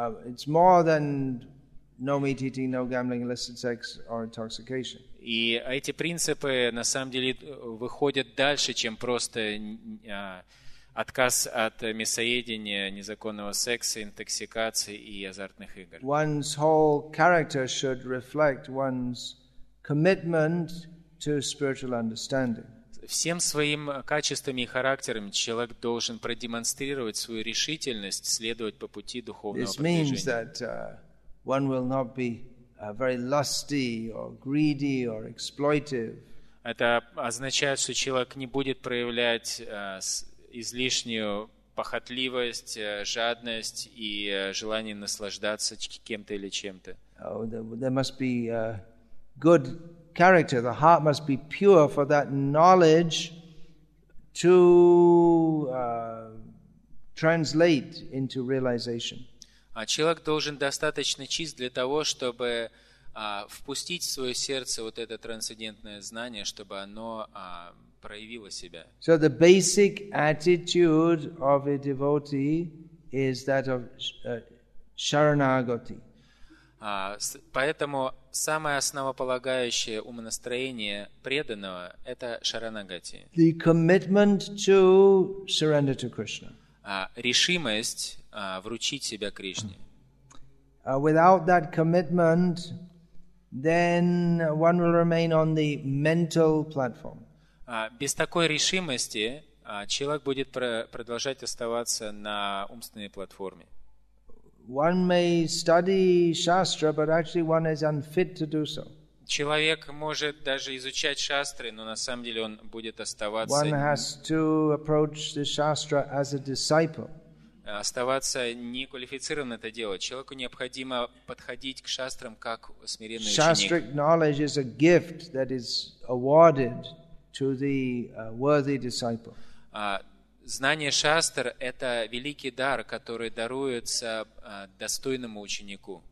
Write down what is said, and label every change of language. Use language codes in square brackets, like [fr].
[en] It's more than no meat eating, no gambling, illicit sex, or intoxication. [ru] И эти принципы на самом деле выходят дальше, чем просто отказ от мясоедения, незаконного секса, интоксикации и азартных игр. [en] One's whole character should reflect one's commitment to spiritual understanding. [ru] Всем своим качествами и характером человек должен продемонстрировать свою решительность следовать по пути духовного [en] This means that one will not be very lusty or greedy or exploitive. [ru] Это означает, что человек не будет проявлять излишнюю похотливость, жадность и желание наслаждаться кем-то или чем-то. [en] There must be good character. The heart must be pure for that knowledge to translate into realization. [ru] А человек должен достаточно чист для того, чтобы впустить в свое сердце вот это трансцендентное знание, чтобы оно проявило себя. [en] So the basic attitude of a devotee is that of sharanagati. [ru] Поэтому самое основополагающее умонастроение преданного – это шаранагати. [en] The commitment to surrender to Krishna. [ru] Решимость вручить себя Кришне. [en] Without that commitment, then one will remain on the mental platform. [ru] Без такой решимости человек будет продолжать оставаться на умственной платформе. [en] One may study shastra, but actually one is unfit to do so. [ru] Человек может даже изучать шастры, но на самом деле он будет оставаться. [en] One has to approach the shastra as a disciple. [ru] Оставаться неквалифицированным это дело. Человеку необходимо подходить к шастрам как смиренный ученик. [en] Shastric knowledge is a gift that is awarded to the worthy disciple. [ru] Знание шастр – это великий дар, который даруется достойному ученику.